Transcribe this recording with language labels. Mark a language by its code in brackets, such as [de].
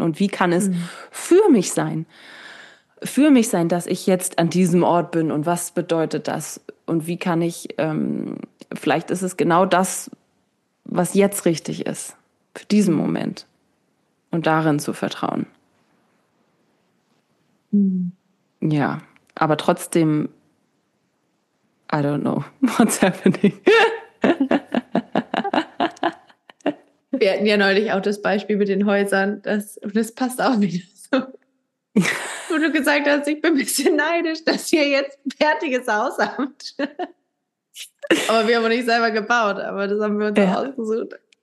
[de] Und wie kann es für mich sein? Für mich sein, dass ich jetzt an diesem Ort bin und was bedeutet das und wie kann ich, vielleicht ist es genau das, was jetzt richtig ist, für diesen Moment und darin zu vertrauen. Ja, aber trotzdem, [en] I don't know what's happening. [de] Wir hatten ja neulich auch das Beispiel mit den Häusern, das passt auch wieder so. Wo du gesagt hast, ich bin ein bisschen neidisch, dass ihr jetzt ein fertiges Haus habt. Aber wir haben nicht selber gebaut, aber das haben wir uns auch ausgesucht.